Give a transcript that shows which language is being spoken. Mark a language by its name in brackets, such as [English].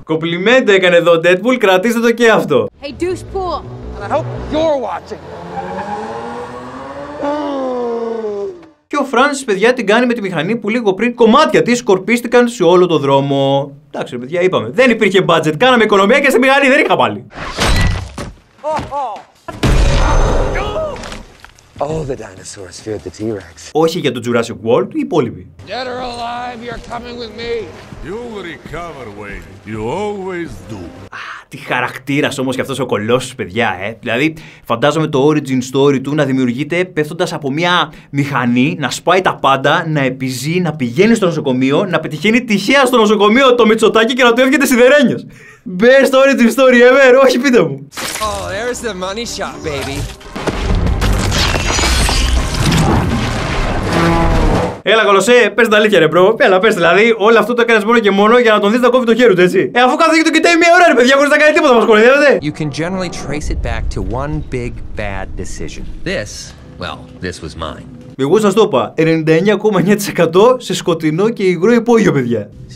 [Greek] Κοπλιμέντο έκανε εδώ ο Deadpool, κρατήστε το και αυτό. [English] Hey, douche pool! And I hope you're watching! [Greek] Και ο Francis, παιδιά, την κάνει με τη μηχανή που λίγο πριν κομμάτια της σκορπίστηκαν σε όλο το δρόμο. Εντάξει, παιδιά, είπαμε. Δεν υπήρχε budget. Κάναμε οικονομία και στη μηχανή δεν είχα πάλι. [English] All the dinosaurs feared the T-Rex. [Greek] Όχι για το Jurassic World, οι υπόλοιποι. [English] Dead or alive, you're coming with me. You'll recover, Wade. You always do. [Greek] Τι χαρακτήρας όμως και αυτός ο κολόσσος, παιδιά, ε! Δηλαδή, φαντάζομαι το origin story του να δημιουργείται πέφτοντας από μια μηχανή, να σπάει τα πάντα, να επιζεί, να πηγαίνει στο νοσοκομείο, να πετυχαίνει τυχαία στο νοσοκομείο το Μητσοτάκι και να του έρχεται σιδερένιος. [English] Best origin story ever, [Greek] όχι πείτε μου! [English] Oh, there's the money shot, baby. [Greek] Έλα, Κολοσσέ, πες την αλήθεια, ρε μπρο. Έλα, πες δηλαδή. Όλο αυτό το έκανες μόνο και μόνο για να τον δεις να κόβει το χέρι του, έτσι. Αφού κάθεται και τον κοιτάει μία ώρα, ρε παιδιά, χωρίς να κάνει τίποτα, μας κοροϊδεύετε. [English] You can generally trace it back to one big bad decision. This, well, this was mine. [Greek] Εγώ σας το είπα, 99,9% σε σκοτεινό και υγρό υπόγειο, παιδιά.